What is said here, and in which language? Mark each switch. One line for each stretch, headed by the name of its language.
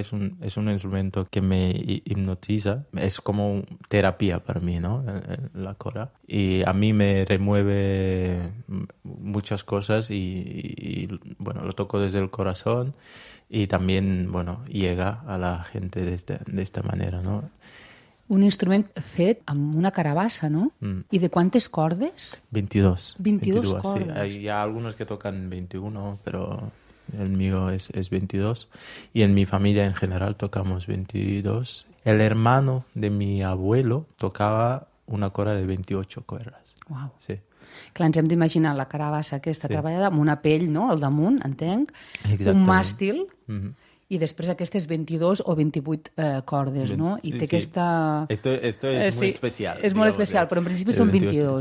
Spanish: Es un instrumento que me hipnotiza. Es como terapia para mí, ¿no? La cora. Y a mí me remueve muchas cosas y bueno, lo toco desde el corazón y también, bueno, llega a la gente de esta manera, ¿no?
Catalan: Un instrument fet amb una carabassa, no? I de quantes cordes? 22. 22 cordes. Sí. Hi ha algunes que toquen 21, però el meu és 22.
Spanish: I en mi família en general tocamos 22. El hermano de mi abuelo tocava una cora de 28 cordes.
Catalan: Uau. Sí. Clar, ens hem d'imaginar la carabassa aquesta treballada amb una pell, no?, al damunt, entenc. Exactament. Un màstil. Mm-hmm. I després aquestes 22 o 28 cordes, no? Sí, i té aquesta...
Spanish: Esto es muy especial.
Catalan: És molt especial, però en principi són 22,